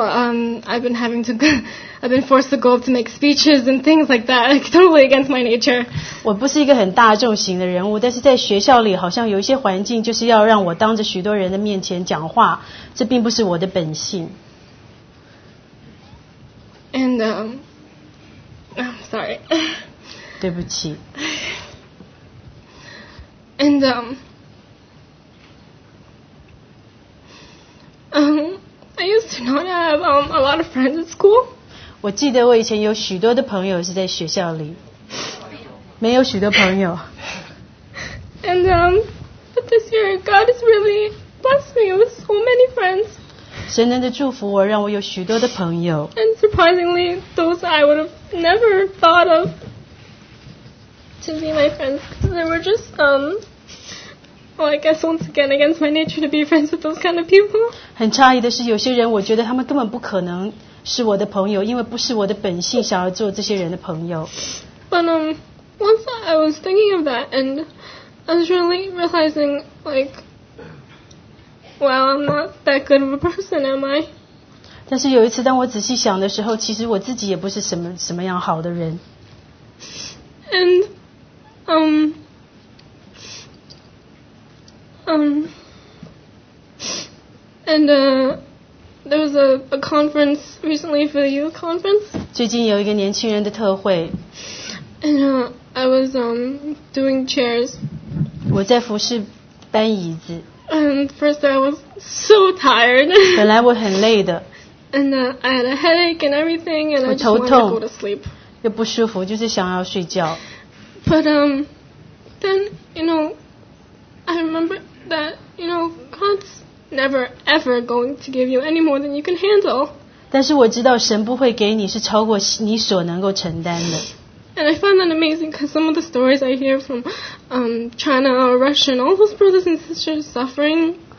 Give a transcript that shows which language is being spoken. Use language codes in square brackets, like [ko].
[en] I've been having to. I've been forced to go up to make speeches and things like that, like, totally against my nature. [zh] 我不是一个很大众型的人物，但是在学校里好像有一些环境就是要让我当着许多人的面前讲话，这并不是我的本性。 [en] And I'm sorry. [zh] 对不起。 [en] And I used to not have a lot of friends at school. [zh] 我记得我以前有许多的朋友是在学校里，没有许多朋友。 [en] And but this year God has really blessed me with so [zh] 神能的祝福我让我有许多的朋友 [en] And surprisingly, those I would have never thought of to be my friends. They were just, well, I guess once again against my nature to be friends with those kind of people. [zh] 很诧异的是有些人我觉得他们根本不可能是我的朋友因为不是我的本性想要做这些人的朋友 [en] But once I was thinking of that and I was really realizing, like, well, I'm not that good of a person, am I? [zh] 但是有一次当我仔细想的时候，其实我自己也不是什么样好的人。 [en] And, there was a conference recently for the youth conference. [zh] 最近有一个年轻人的特会。 [en] And I was doing chairs. [zh] 我在服侍搬椅子。 [en] And first I was so tired. [zh] 本来我很累的。And [en] I had a headache and everything, and I just wanted to go to sleep. [zh] 又不舒服，就是想要睡觉。But [en] then you know, I remember that you know God's never ever going to give you any more than you can handle. [zh] 但是我知道神不会给你是超过你所能够承担的。 [en] And I find that amazing because some of the stories I hear from China or Russia and all those brothers and sisters suffering.